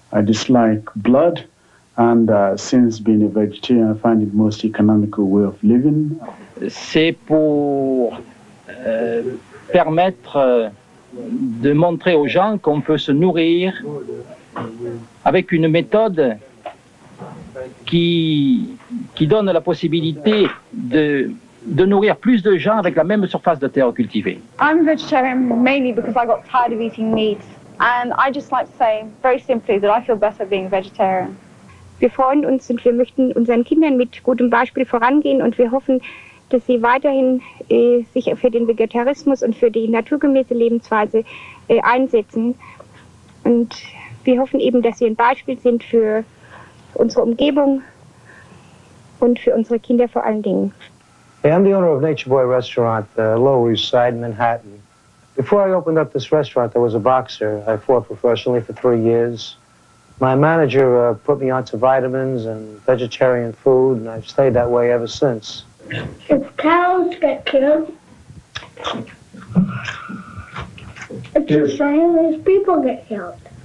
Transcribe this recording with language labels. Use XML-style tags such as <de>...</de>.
<en>I dislike blood, and since being a vegetarian, I find it the most economical way of living.</en> <fr>C'est pour permettre de montrer aux gens qu'on peut se nourrir avec une méthode qui donne la possibilité de nourrir plus de gens avec la même surface de terre cultivée.</fr> <en>I'm a vegetarian mainly because I got tired of eating meat. And I just like to say, very simply, that I feel better being a vegetarian.</en> <de>Wir freuen uns und wir möchten unseren Kindern mit gutem Beispiel vorangehen, und wir hoffen, dass sie weiterhin sich für den Vegetarismus und für die naturgemäße Lebensweise einsetzen. Und wir hoffen eben, dass sie ein Beispiel sind für unsere Umgebung und für unsere Kinder vor allen Dingen.</de> <en>Hey, I'm the owner of Nature Boy Restaurant, Lower East Side, Manhattan. Before I opened up this restaurant, I was a boxer. I fought professionally for 3 years. My manager put me onto vitamins and vegetarian food, and I've stayed that way ever since. If cows get killed, it's the same as people get killed.</en>